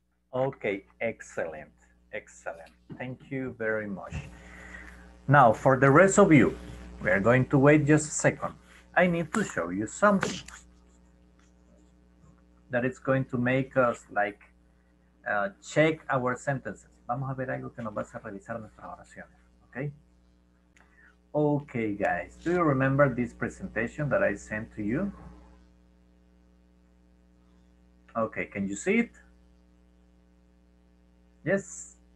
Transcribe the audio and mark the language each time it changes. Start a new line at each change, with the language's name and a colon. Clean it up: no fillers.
English: Okay, excellent. Excellent. Thank you very much. Now, for the rest of you, we are going to wait just a second. I need to show you something that is going to make us like check our sentences.
Spanish: Vamos a ver algo que nos va a hacer revisar nuestras oraciones.
English: Okay. Okay, guys. Do you remember this presentation that I sent to you? Okay. Can you see it? Yes.